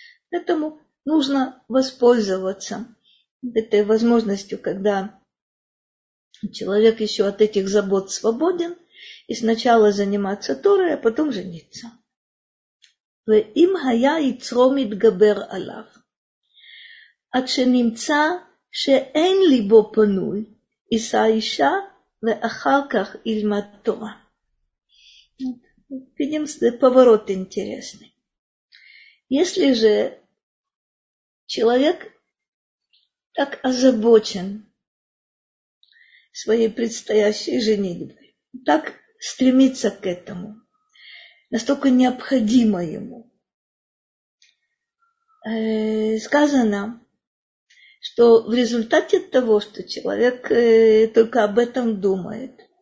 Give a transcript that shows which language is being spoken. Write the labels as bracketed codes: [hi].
[ru] Поэтому нужно воспользоваться этой возможностью, когда человек еще от этих забот свободен, и сначала заниматься Торой, а потом жениться. [he] «Им гая ицро митгабер алав». עד שנמצא שאין ליבו פנוי, יישא אישה ואחר כך ילמד תורה. [ru] Видим, поворот интересный. Если же человек так озабочен своей предстоящей женитьбой, так стремится к этому, настолько необходимо ему, сказано, что в результате того, что человек только об этом думает,